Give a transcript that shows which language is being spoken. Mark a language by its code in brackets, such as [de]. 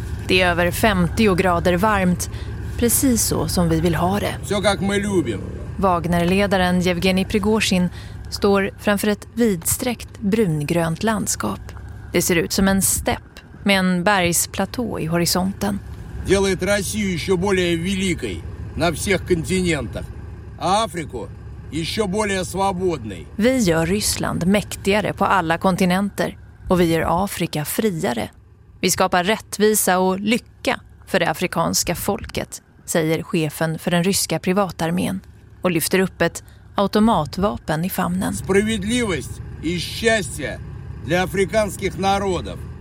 [sv] Det är över 50 grader varmt. Precis så som vi vill ha det. [ru] Все как мы любим. [sv] Wagner-ledaren Yevgeny Prigozhin står framför ett vidsträckt brungrönt landskap. Det ser ut som en stepp med en bergsplatå i horisonten. [ru] Делает Россию еще более великой на всех континентах. Африку еще более свободной. [sv] Vi gör Ryssland mäktigare på alla kontinenter och vi gör Afrika friare. Vi skapar rättvisa och lycka för det afrikanska folket, säger chefen för den ryska privatarmén och lyfter upp ett automatvapen i famnen. [ru] Справедливость и счастье для африканских народов.